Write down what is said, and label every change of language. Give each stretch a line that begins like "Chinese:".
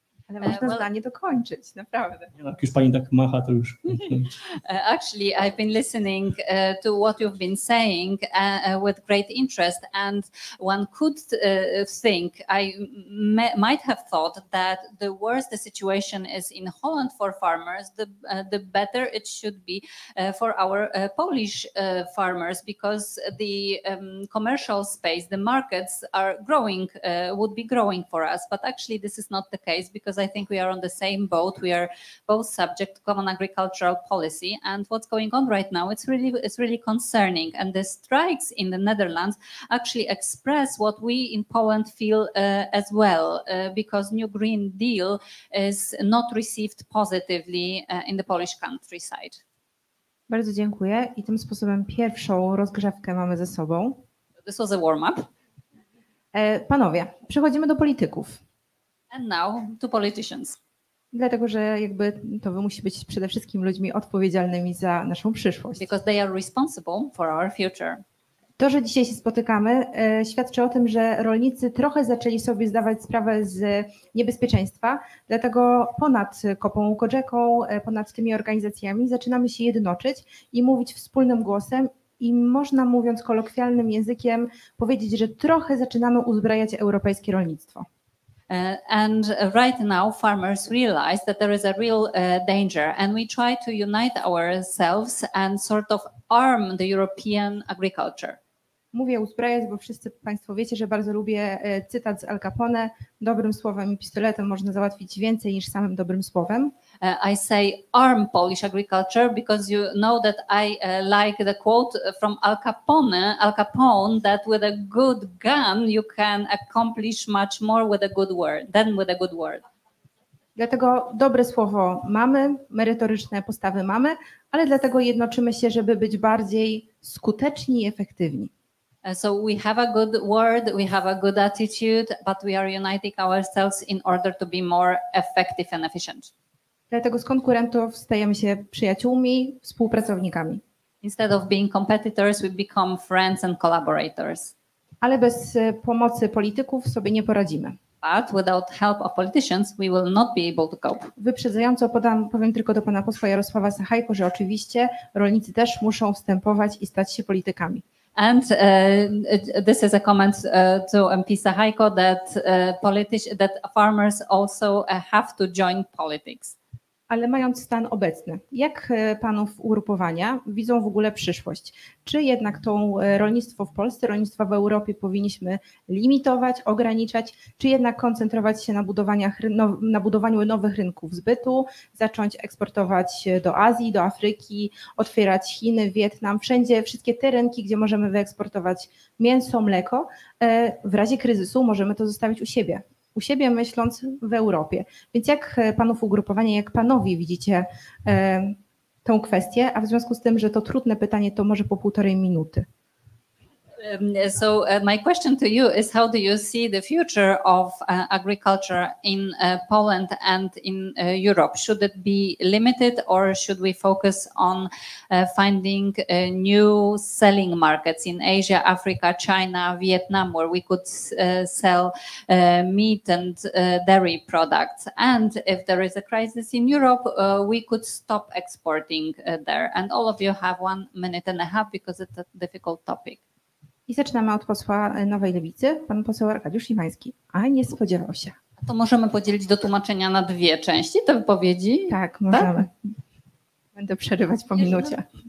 Polish: Ale można zdanie dokończyć, naprawdę. Jak już pani tak macha, to już.
English: Actually, I've been listening to what you've been saying with great interest, and one could think, I might have thought that the worse the situation is in Holland for farmers, the better it should be for our Polish farmers, because the commercial space, the markets are growing, would be growing for us. But actually, this is not the case, because I think we are on the same boat. We are both subject to common agricultural policy, and what's going on right now, it's really concerning. And the strikes in the Netherlands actually express what we in Poland feel as well, because new Green Deal is not received positively in the Polish countryside.
Polish: Bardzo dziękuję. I tym sposobem pierwszą rozgrzewkę mamy ze sobą.
English: This was a warm-up.
Polish: Panowie, przechodzimy do polityków.
English: And now to politicians.
Polish: Dlatego, że jakby to wy musi być przede wszystkim ludźmi odpowiedzialnymi za naszą przyszłość.
English: Because they are responsible for our future.
Polish: To, że dzisiaj się spotykamy, świadczy o tym, że rolnicy trochę zaczęli sobie zdawać sprawę z niebezpieczeństwa, dlatego ponad Kopą Kodzeką, ponad tymi organizacjami zaczynamy się jednoczyć i mówić wspólnym głosem i można, mówiąc kolokwialnym językiem, powiedzieć, że trochę zaczynamy uzbrajać europejskie rolnictwo.
English: And right now farmers realize that there is a real danger, and we try to unite ourselves and sort of arm the European agriculture.
Polish: Mówię uzbrajać, bo wszyscy Państwo wiecie, że bardzo lubię cytat z Al Capone. Dobrym słowem i pistoletem można załatwić więcej niż samym dobrym słowem.
English: I say arm Polish agriculture, because you know that I like the quote from Al Capone, that with a good gun you can accomplish much more than with a good word.
Polish: Dlatego dobre słowo mamy, merytoryczne postawy mamy, ale dlatego jednoczymy się, żeby być bardziej skuteczni i efektywni.
English: So we have a good word, we have a good attitude, but we are uniting ourselves in order to be more effective and efficient.
Polish: Dlatego z konkurentów stajemy się przyjaciółmi, współpracownikami.
English: Instead of being competitors, we become friends and collaborators.
Polish: Ale bez pomocy polityków sobie nie poradzimy.
English: But without help of politicians, we will not be able to cope.
Polish: Wyprzedzająco powiem tylko do pana posła Jarosława Sachajko, że oczywiście rolnicy też muszą wstępować i stać się politykami.
English: And this is a comment to MP Sachajko, that that farmers also have to join politics.
Polish: Ale mając stan obecny, jak panów ugrupowania widzą w ogóle przyszłość? Czy jednak to rolnictwo w Polsce, rolnictwo w Europie powinniśmy limitować, ograniczać, czy jednak koncentrować się na budowaniu nowych rynków zbytu, zacząć eksportować do Azji, do Afryki, otwierać Chiny, Wietnam, wszędzie wszystkie te rynki, gdzie możemy wyeksportować mięso, mleko, w razie kryzysu możemy to zostawić u siebie. U siebie myśląc w Europie. Więc jak panów ugrupowanie, jak panowie widzicie tę kwestię, a w związku z tym, że to trudne pytanie, to może po półtorej minuty.
English: So my question to you is, how do you see the future of agriculture in Poland and in Europe? Should it be limited, or should we focus on finding new selling markets in Asia, Africa, China, Vietnam, where we could sell meat and dairy products? And if there is a crisis in Europe, we could stop exporting there. And all of you have 1 minute and a half, because it's a difficult topic.
Polish: I zaczynamy od posła Nowej Lewicy, pan poseł Arkadiusz Imański. A nie spodziewał się. To możemy podzielić do tłumaczenia na dwie części te wypowiedzi? Tak, możemy. Tak? Będę przerywać po minucie.